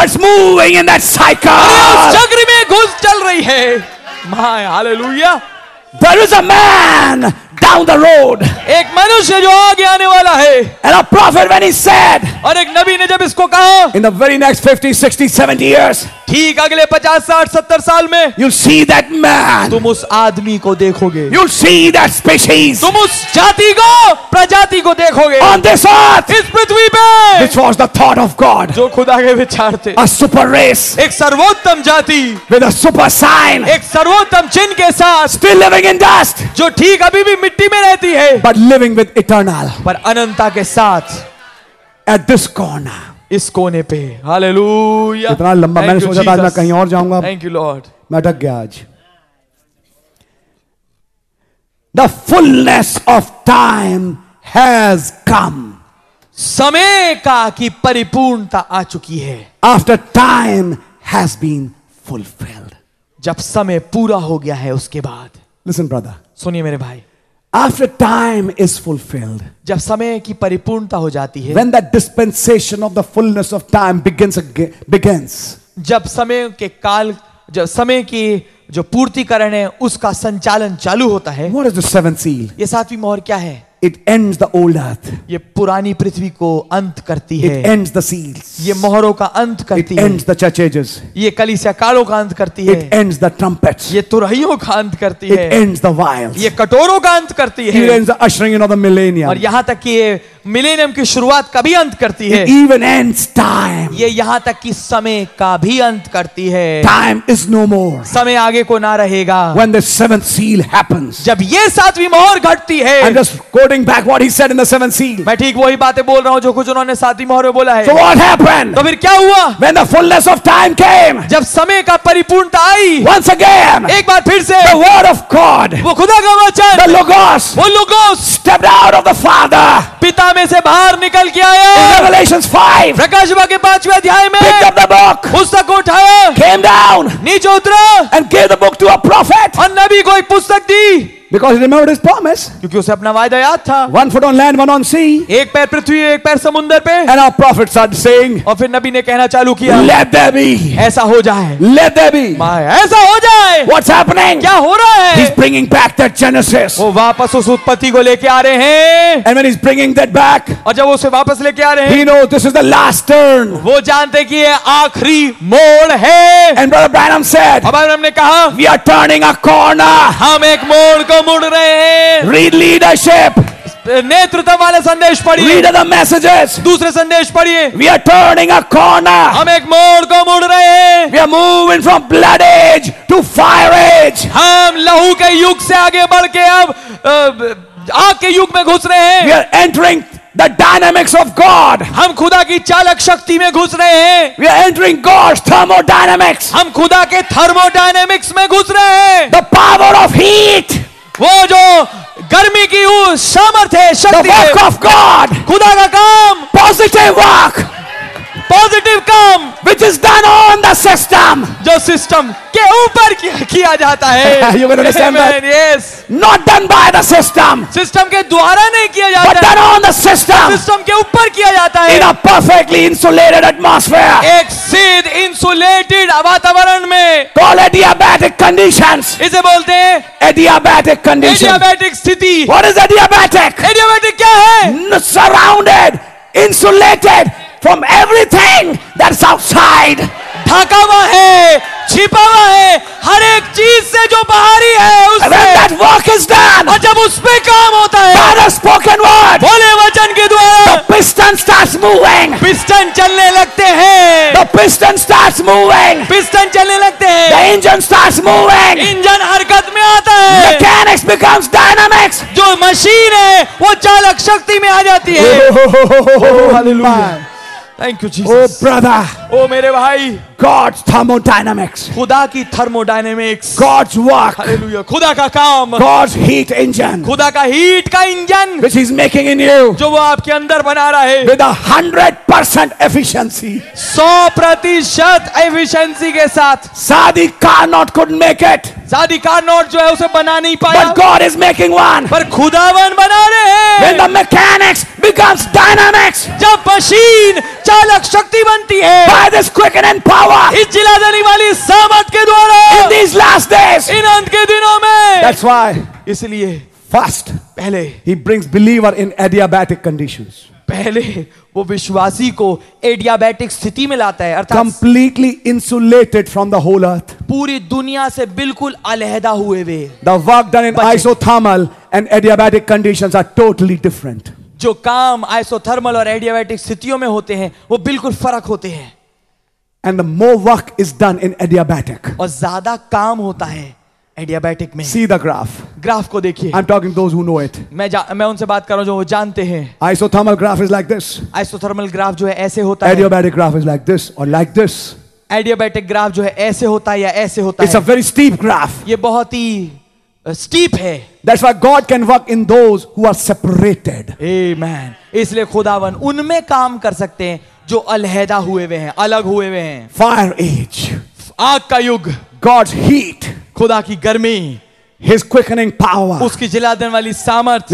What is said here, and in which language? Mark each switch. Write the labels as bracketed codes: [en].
[en] It's moving in that cycle. [hi] उस चक्र में घुस चल रही है. [en] My hallelujah. There is a man down the road. [hi] एक मनुष्य जो आगे आने वाला है. [en] And a prophet when he said. [hi] और एक नबी ने जब इसको कहा. [en] In the very next 50, 60, 70 years. [hi] ठीक अगले 50, 60, 70 साल में. [en] You'll see that man. [hi] तुम उस आदमी को देखोगे. [en] You'll see that species. [hi] तुम उस जाति को, प्रजाति को देखोगे. [en] On this earth. [hi] इस पृथ्वी पे. [en] Which was the thought of God. [hi] जो खुदा के विचार थे. [en] A super race. [hi] एक सर्वोत्तम जाति. [en] With a super sign. [hi] एक सर्वोत्तम चिन्ह के साथ. [en] Still living in dust. [hi] जो ठीक अभी भी मिट्टी में रहती है. [en] But living with eternal. [hi] पर अनंता के साथ. [en] At this corner. [hi] इस कोने पे. हालेलुया. इतना लंबा मैंने सोचा था आज मैं कहीं और जाऊंगा. [en] Thank you lord. [hi] मैं अटक गया आज. [en] The fullness of time has come. [hi] समय का की परिपूर्णता आ चुकी है. [en] After time has been fulfilled. [hi] जब समय पूरा हो गया है उसके बाद. [en] listen brother, [hi] सुनिए मेरे भाई. [en] After time is fulfilled, [hi] जब समय की परिपूर्णता हो जाती है, [en] when that dispensation of the fullness of time begins, [hi] जब समय के काल, जब समय की जो पूर्तिकरण है उसका संचालन चालू होता है, [en] what is the seventh seal? [hi] ये सातवीं मोहर क्या है? [en] It ends the old earth. [hi] ये पुरानी पृथ्वी को अंत करती है. [en] It ends the seals. [hi] ये मोहरों का अंत करती [en] है. It ends the church ages. [hi] ये कलीसिया कालों का अंत करती है. [en] It ends the trumpets. [hi] ये तुरहियों का अंत करती है. [en] It ends the vials. [hi] ये कटोरों का अंत करती है. [en] It ends the ushering in of the millennium. [hi] और यहाँ तक कि ये मिलेनियम की शुरुआत का भी अंत करती है. [en] It even ends time. [hi] ये यहाँ तक कि समय का भी अंत करती है. [en] Time is no more. [hi] समय आगे को ना रहेगा. [en] When the seventh seal happens. [hi] जब ये सातवीं मोहर घटती है. [en] I'm just quoting back what he said in the seventh seal. [hi] मैं ठीक वही बातें बोल रहा हूँ जो कुछ उन्होंने सातवीं मोहर में बोला है. [en] So what happened? [hi] तो फिर क्या हुआ? [en] When the fullness of time came. [hi] जब समय का परिपूर्णता आई. [en] Once again. [hi] एक बार फिर से. [en] The word of God. [hi] वो खुदा का वचन. [en] The logos. [hi] वो logos. [en] Stepped out of the Father. [hi] पिता में से बाहर निकल के आया. [en] In Revelations 5. [hi] प्रकाश विभाग के 5वें अध्याय में. [en] Picked up the book. [hi] पुस्तक को उठाया. [en] Came down. [hi] नीचे उतरा. [en] And gave the book to a prophet. [hi] और नबी को एक पुस्तक दी. [en] Because he remembered his promise. [hi] क्योंकि उसे अपना वायदा याद था. [en] One foot on land, one on sea. [hi] एक पैर पृथ्वी, एक पैर समुंदर पे. [en] And our prophet started saying. [hi] और फिर नबी ने कहना चालू किया. [en] Let there be. [hi] ऐसा हो जाए. [en] Let there be. [hi] माँ, ऐसा हो जाए. [en] What's happening? [hi] क्या हो रहा है? [en] He's bringing back that Genesis. [hi] वो वापस उस उत्पत्ति को लेके आ रहे हैं. [en] And when he's bringing that back. [hi] और जब वो उसे वापस लेके आ रहे हैं. [en] He knows this is the last turn. [hi] वो जानते कि ये आखिरी मोड़ है. [en] And Brother Branham said. [hi] और ब्रैनम ने कहा. [en] We are turning a corner. [hi] हम एक मोड़ मुड़ रहे हैं. [en] Read leadership. [hi] नेतृत्व वाले संदेश पढ़िए. [en] Read the messages. [hi] दूसरे संदेश पढ़िए. [en] We are turning a corner. [hi] हम एक मोड़ को मुड़ रहे हैं. [en] We are moving from blood age to fire age. [hi] हम लहू के युग से आगे बढ़ के अब आग के युग में घुस रहे हैं. [en] We are entering the dynamics of God. [hi] हम खुदा की चालक शक्ति में घुस रहे हैं. [en] We are entering God's thermodynamics. [hi] हम खुदा के thermodynamics में घुस रहे हैं. [en] The power of heat. [hi] वो जो गर्मी की सामर्थ्य शक्ति. [en] The work of God. [hi] खुदा का काम. [en] Positive work. [hi] Positive काम. [en] Which is done on the system. [hi] जो सिस्टम के ऊपर किया जाता है. [en] You will understand that. Yes. Not done by the system. [hi] System के द्वारा नहीं किया जाता. [en] But done on the system. [hi] System के ऊपर किया जाता है. [en] In a perfectly insulated atmosphere. [hi] एक सीध insulated वातावरण में. [en] Call adiabatic conditions. [hi] इसे बोलते हैं. [en] Adiabatic condition. [hi] Adiabatic स्थिति. [en] What is adiabatic? [hi] Adiabatic क्या है? [en] Surrounded, insulated. From everything that's outside. [hi] ढका हुआ है, छिपा हुआ है, हर एक चीज से जो बाहरी है उससे. [en] When that work is done. [hi] और जब उस पे काम होता है. [en] By the spoken word. [hi] बोले वचन के द्वारा. [en] The piston starts moving. [hi] Piston चलने लगते हैं. [en] The piston starts moving. [hi] Piston चलने लगते हैं. [en] The engine starts moving. [hi] Engine हरकत में आता है. [en] Mechanics becomes dynamics. [hi] जो मशीन है वो चालक शक्ति में आ जाती है. [en] Hallelujah. Thank you, Jesus. Oh, brother. [hi] Oh, मेरे भाई. [en] God's thermodynamics. [hi] खुदा की thermodynamics. [en] God's work. [hi] Hallelujah. खुदा का काम. [en] God's heat engine. [hi] खुदा का heat का engine. [en] Which he's making in you. [hi] जो वो आपके अंदर बना रहा है. [en] With 100% efficiency. [hi] 100% efficiency के साथ. [en] Sadi Carnot couldn't make it. [hi] Sadi Carnot जो है उसे बना नहीं पाया. [en] But God is making one. [hi] पर खुदा वन बना रहे हैं. [en] When the mechanics becomes dynamics. [hi] जब मशीन चालक शक्ति बनती है. [en] By this quickening power. [hi] इस जिला देने वाली सामर्थ के द्वारा. [en] In these last days. [hi] इन अंत के दिनों में. [en] That's why. [hi] इसलिए. [en] First. [hi] पहले. [en] He brings believer in adiabatic conditions. [hi] पहले वो विश्वासी को एडियाबैटिक स्थिति में लाता है. अर्थात. [en] Completely insulated from the whole earth. [hi] पूरी दुनिया से बिल्कुल अलहदा हुए वे. [en] The work done in isothermal and adiabatic conditions are totally different. [hi] जो काम isothermal और adiabatic स्थितियों में होते हैं वो बिल्कुल फर्क होते हैं. [en] And the more work is done in adiabatic. [hi] और ज़्यादा काम होता है adiabatic में. [en] See the graph. [hi] ग्राफ को देखिए. [en] I'm talking those who know it. [hi] मैं उनसे बात कर रहा हूँ जो वो जानते हैं. [en] Isothermal graph is like this. [hi] Isothermal graph जो है ऐसे होता है. [en] Adiabatic graph is like this or like this. [hi] Adiabatic graph जो है ऐसे होता है या ऐसे होता [en] है. It's a very steep graph. [hi] ये बहुत ही steep है. [en] That's why God can work in those who are separated. Amen. [hi] इसलिए खुदावन उनमें काम कर सकते हैं जो अलहदा हुए हुए हैं, अलग हुए हुए हैं. [en] fire age, [hi] आग का युग. [en] God's heat, [hi] खुदा की गर्मी. [en] His quickening power, [hi] उसकी जिला देने वाली सामर्थ.